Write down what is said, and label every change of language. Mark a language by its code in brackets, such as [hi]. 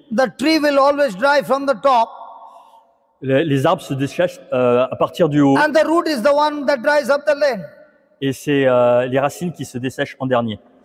[en] The tree will always dry from the top. [fr] Les arbres se dessèchent à partir du haut. [en] And the root is the one that dries up the land. [fr] Et c'est les racines qui se dessèchent en dernier.